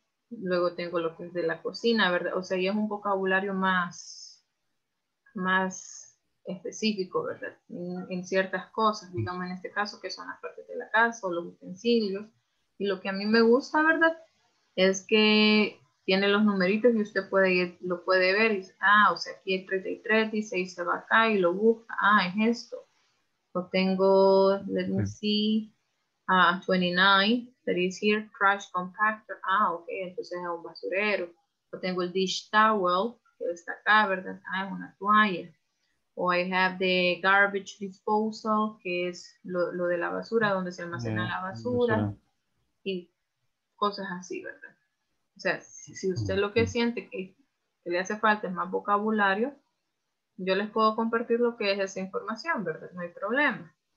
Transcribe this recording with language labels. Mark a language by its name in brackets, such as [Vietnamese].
[Spanish] Luego tengo lo que es de la cocina, ¿verdad? O sea, ya es un vocabulario más específico, ¿verdad? En ciertas cosas, digamos en este caso, que son las partes de la casa o los utensilios. Y lo que a mí me gusta, ¿verdad? Es que tiene los numeritos y usted puede ir, lo puede ver. Y dice, ah, o sea, aquí es 33, dice, y se va acá y lo busca. Ah, es esto. [English] So [Spanish] tengo, [English] let me see, 29, that is here, trash compactor. [Spanish] Ah, ok, entonces es un basurero. So tengo el dish towel, que está acá, ¿verdad? Ah, es una toalla. O [English] I have the garbage disposal, [Spanish] que es lo de la basura, donde se almacena la basura. Y cosas así, ¿verdad? O sea, si usted lo que siente que le hace falta es más vocabulario, yo les puedo compartir lo que es esa información, ¿verdad? No hay problema.